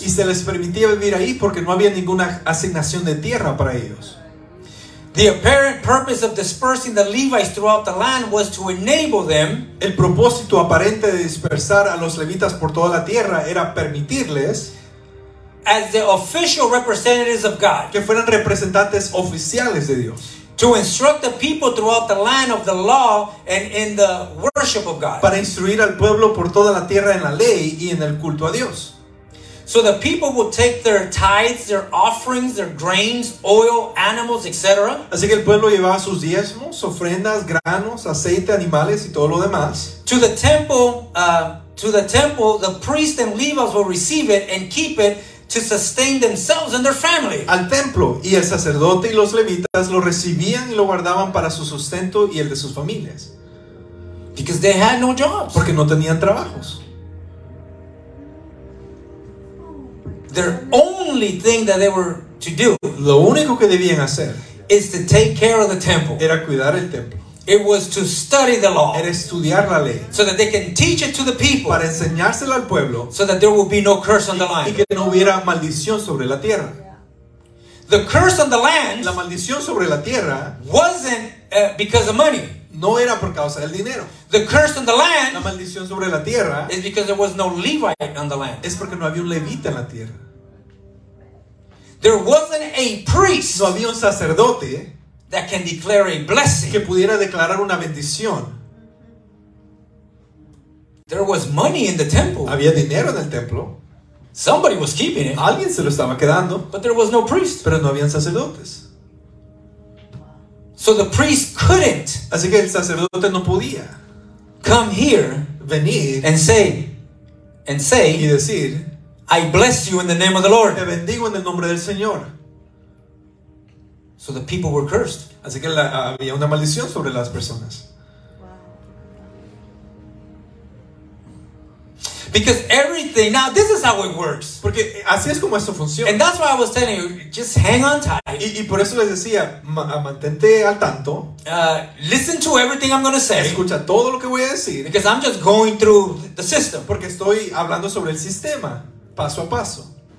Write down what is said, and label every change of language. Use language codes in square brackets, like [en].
[es] Y se les permitía vivir ahí porque no había ninguna asignación de tierra para ellos. [en] The apparent purpose of dispersing the Levites throughout the land was to enable them. [es] El propósito aparente de dispersar a los levitas por toda la tierra era permitirles, [en] as the official representatives of God, [es] que fueran representantes oficiales de Dios, [en] to instruct the people throughout the land of the law and in the worship of God. [es] Para instruir al pueblo por toda la tierra en la ley y en el culto a Dios. [en] So the people would take their tithes, their offerings, their grains, oil, animals, etc. [es] Así que el pueblo llevaba sus diezmos, ofrendas, granos, aceite, animales y todo lo demás. [en] To the temple, the priests and Levites will receive it and keep it to sustain themselves and their family. [es] Al templo, y el sacerdote y los levitas lo recibían y lo guardaban para su sustento y el de sus familias. [en] Because they had no jobs. [es] Porque no tenían trabajos. [en] Their only thing that they were to do, [es] lo único que debían hacer, [en] is to take care of the temple. [es] Era cuidar el templo. [en] It was to study the law. [es] Era estudiar la ley. [en] So that they can teach it to the people. [es] Para enseñárselo al pueblo. [en] So that there will be no curse on the land. [es] Y que no hubiera maldición sobre la tierra. [en] The curse on the land, [es] la maldición sobre la tierra, [en] wasn't because of money. [es] No era por causa del dinero. [en] The curse on the land, [es] la maldición sobre la tierra, [en] is because there was no Levite on the land. [es] Es porque no había un levita en la tierra. [en] There wasn't a priest. [es] No había un sacerdote [en] that can declare a blessing. [es] Que pudiera declarar una bendición. [en] There was money in the temple. [es] Había dinero en el templo. [en] Somebody was keeping it. [es] Alguien se lo estaba quedando. [en] But there was no priest. [es] Pero no habían sacerdotes. [en] So the priest couldn't. [es] Así que el sacerdote no podía. [en] Come here. [es] Venir. [en] And say. [es] Y decir. [en] I bless you in the name of the Lord. [es] Te bendigo en el nombre del Señor. [en] So the people were cursed. [es] Así que había una maldición sobre las personas. [en] Because everything, now this is how it works. [es] Porque así es como esto funciona. [en] And that's why I was telling you, just hang on tight. [es] Y por eso les decía, mantente al tanto. [en] Listen to everything I'm going to say. [es] Escucha todo lo que voy a decir. [en] Because I'm just going through the system. [es] Porque estoy hablando sobre el sistema, paso a paso.